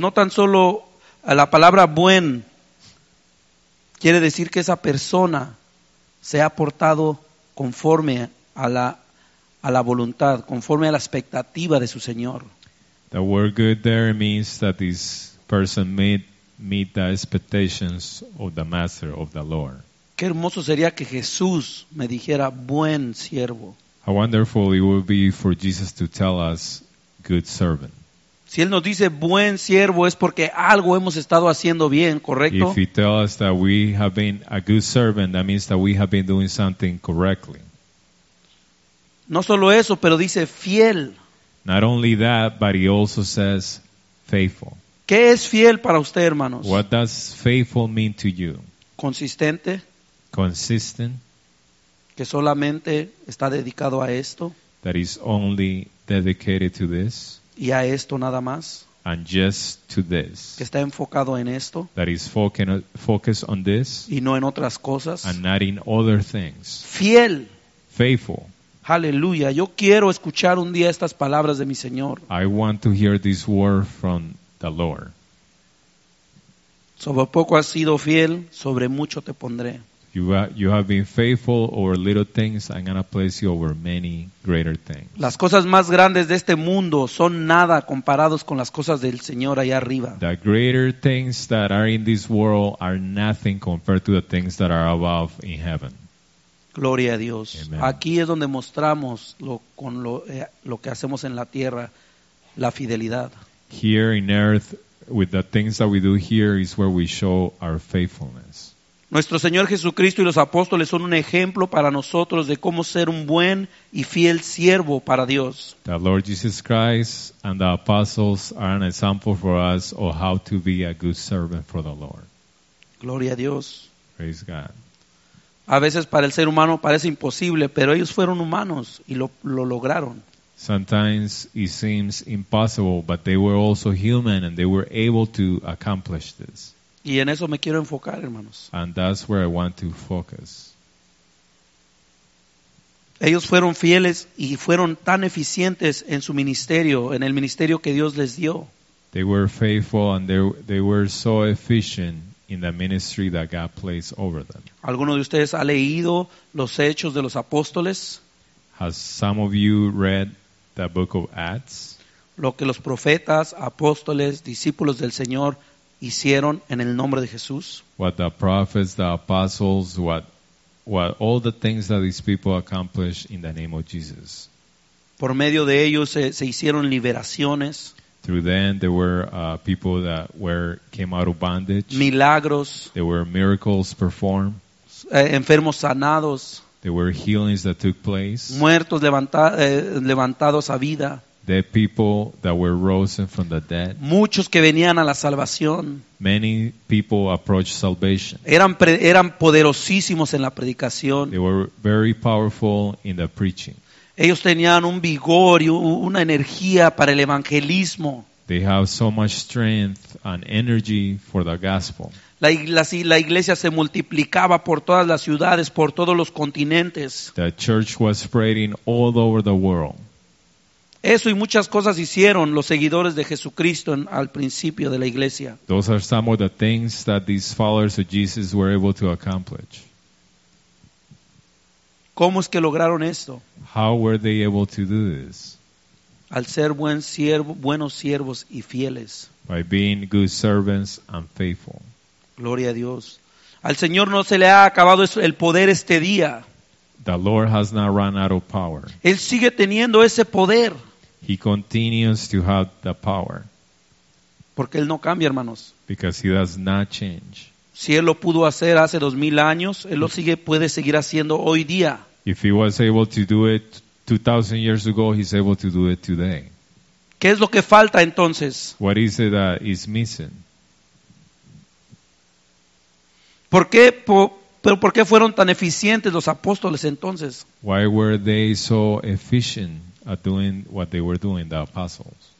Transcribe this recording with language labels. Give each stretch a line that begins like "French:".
Spanish: No tan solo a la palabra buen quiere decir que esa persona se ha portado conforme a la voluntad, conforme a la expectativa de su Señor.
English: The word good there means that this person meet the expectations of the master, of the Lord.
Spanish: Qué hermoso sería que Jesús me dijera buen siervo.
English: How wonderful it would be for Jesus to tell us good servant.
Spanish: Si Él nos dice buen siervo es porque algo hemos estado haciendo bien, ¿correcto?
English: If He tells us that we have been a good servant, that means that we have been doing something correctly.
Spanish: No solo eso, pero dice fiel.
English: Not only that, but He also says faithful.
Spanish: ¿Qué es fiel para usted, hermanos?
English: What does faithful mean to you?
Spanish: Consistente.
English: Consistent.
Spanish: que solamente está dedicado a esto.
English: That is only dedicated to this.
Spanish: Y a esto nada más.
English: And just to this.
Spanish: Que está enfocado en esto.
English: That is focused on this.
Spanish: Y no en otras cosas.
English: And not in other things.
Spanish: Fiel.
English: Faithful.
Spanish: Aleluya. Yo quiero escuchar un día estas palabras de mi Señor.
English: I want to hear this word from the Lord.
Spanish: Sobre poco has sido fiel, sobre mucho te pondré.
English: You have been faithful over little things. I'm going to place you over many greater things.
Spanish: Las cosas más grandes de este mundo son nada comparados con las cosas del Señor allá arriba.
English: The greater things that are in this world are nothing compared to the things that are above in heaven.
Spanish: Gloria a Dios. Amen. Aquí es donde mostramos lo que hacemos en la tierra, la fidelidad.
English: Here in earth, with the things that we do here, is where we show our faithfulness.
Spanish: Nuestro Señor Jesucristo y los apóstoles son un ejemplo para nosotros de cómo ser un buen y fiel siervo para Dios.
English: The Lord Jesus Christ and the apostles are an example for us of how to be a good servant for the Lord.
Spanish: Gloria a Dios.
English: Praise God.
Spanish: A veces para el ser humano parece imposible, pero ellos fueron humanos y lo lograron.
English: Sometimes it seems impossible, but they were also human and they were able to accomplish this.
Spanish: Y en eso me quiero enfocar, hermanos.
English: And that's where I want to focus.
Spanish: Ellos fueron fieles y fueron tan eficientes en su ministerio, en el ministerio que Dios les dio.
English: They were faithful and they were so efficient in the ministry that God placed over them.
Spanish: ¿Alguno de ustedes ha leído los Hechos de los Apóstoles?
English: Has some of you read the book of Acts?
Spanish: Lo que los profetas, apóstoles, discípulos del Señor hicieron en el nombre de Jesús.
English: What the prophets, the apostles, what all the things that these people accomplished in the name of Jesus.
Spanish: Por medio de ellos se hicieron liberaciones.
English: Through them there were people that came out of bondage.
Spanish: Milagros.
English: There were miracles performed.
Spanish: Enfermos sanados.
English: There were healings that took place.
Spanish: Muertos levantados a vida.
English: Dead people that were risen from the dead.
Spanish: Muchos que venían a la salvación.
English: Many people approached salvation.
Spanish: Eran poderosísimos en la predicación.
English: They were very powerful in the preaching.
Spanish: Ellos tenían un vigor y una energía para el evangelismo.
English: They have so much strength and energy for the gospel.
Spanish: La iglesia se multiplicaba por todas las ciudades, por todos los continentes.
English: The church was spreading all over the world.
Spanish: Eso y muchas cosas hicieron los seguidores de Jesucristo al principio de la iglesia.
English: Those are some of the things that these followers of Jesus were able to accomplish.
Spanish: ¿Cómo es que lograron esto?
English: How were they able to do this?
Spanish: Al ser buenos siervos y fieles.
English: By being good servants and faithful.
Spanish: Gloria a Dios. Al Señor no se le ha acabado el poder este día.
English: The Lord has not run out of power.
Spanish: Él sigue teniendo ese poder.
English: He continues to have the power.
Spanish: Porque Él no cambia, hermanos.
English: Because He does not change.
Spanish: Si Él lo pudo hacer hace 2,000 años, Él lo sigue, puede seguir haciendo hoy día.
English: If He was able to do it 2,000 years ago, He's able to do it today.
Spanish: ¿Qué es lo que falta entonces?
English: What is it that is missing?
Spanish: Pero ¿por qué fueron tan eficientes los apóstoles entonces?
English: Why were they so efficient at doing what they were doing, the apostles?